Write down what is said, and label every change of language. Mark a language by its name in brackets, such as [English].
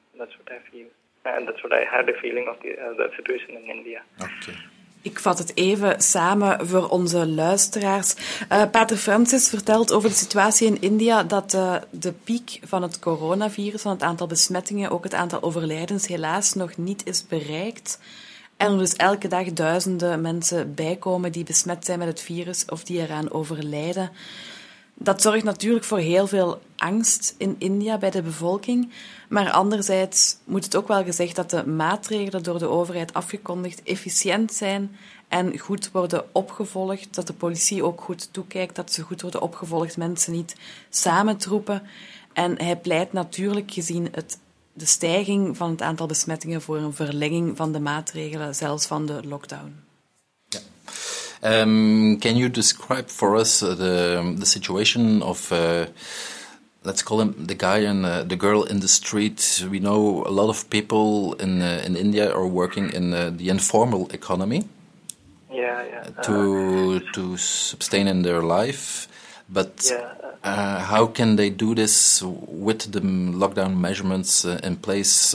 [English] That's what I feel, and that's what I had a feeling of the situation in India. Okay. [Dutch] Ik vat het even samen voor onze luisteraars. Pater Francis vertelt over de situatie in India dat de piek van het coronavirus, van het aantal besmettingen, ook het aantal overlijdens, helaas nog niet is bereikt. En er dus elke dag duizenden mensen bijkomen die besmet zijn met het virus of die eraan overlijden. Dat zorgt natuurlijk voor heel veel angst in India bij de bevolking. Maar anderzijds moet het ook wel gezegd dat de maatregelen door de overheid afgekondigd efficiënt zijn en goed worden opgevolgd. Dat de politie ook goed toekijkt, dat ze goed worden opgevolgd, mensen niet samentroepen. En hij pleit natuurlijk gezien de stijging van het aantal besmettingen voor een verlenging van de maatregelen, zelfs van de lockdown. Ja. [English] Can you describe for us the situation of, let's call him the guy and the girl in the street? We know a lot of people in India are working in the informal economy. To sustain in their life. But how can they do this with the lockdown measurements in place?